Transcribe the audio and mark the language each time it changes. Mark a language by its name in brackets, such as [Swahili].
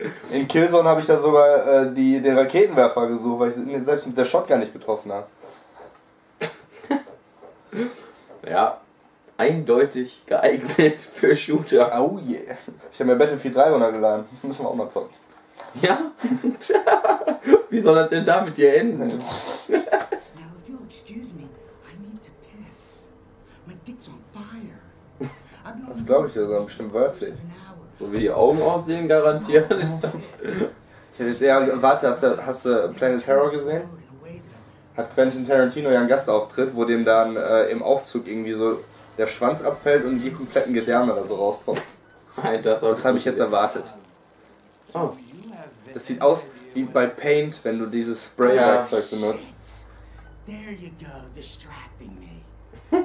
[German] In Killzone habe ich da sogar den Raketenwerfer gesucht, weil ich selbst mit der Shotgun nicht getroffen habe. Ja, eindeutig geeignet für Shooter. [English] Oh yeah. [German] Ich habe mir Battlefield 3 runtergeladen. Müssen wir auch mal zocken. Ja? Wie soll das denn da mit dir enden? [English] Now if you'll excuse me, I need to piss. My dick's on fire. [German] Das glaube ich, das ist bestimmt wörtlich. So wie die Augen aussehen, garantiert. Ja, warte, hast du Planet Terror gesehen? hat Quentin Tarantino ja einen Gastauftritt, wo dem dann im Aufzug irgendwie so der Schwanz abfällt und die kompletten Gedärme da so rauskommen. Nein, das das habe ich jetzt erwartet. Oh. Das sieht aus wie bei Paint, wenn du dieses Spray-Werkzeug benutzt. [English] There you go, distracting me.